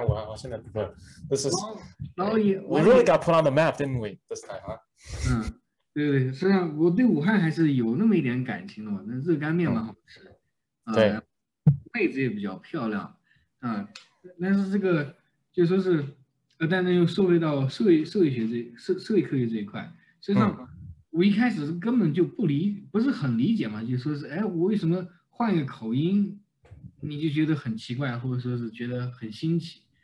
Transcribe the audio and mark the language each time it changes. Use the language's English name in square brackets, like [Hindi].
[Chinese] 对，但是你说美国南方口音，对，有，事实上我有两个南方口音，你有两个南方口音，我也有中国南方口音，我只有一个南方口音。说到这里，事实际上我在武汉待了三年。哦，真的吗？在武汉上的高中。哦，你的口音也有一点武汉的口味，是吧？热干面，对，热干面。武汉你得，对。是的。对，我小时候会讲武汉，我现在不，这是。 [English] We really got put on the map, didn't we, this time, huh? [Chinese] 对，实际上我对武汉还是有那么一点感情的嘛。那热干面蛮好吃，对，妹子也比较漂亮，但是这个就说是，但是又说回到社会科学这一块。实际上，我一开始是根本就不是很理解嘛，就说是哎，我为什么换一个口音，你就觉得很奇怪，或者说是觉得很新奇，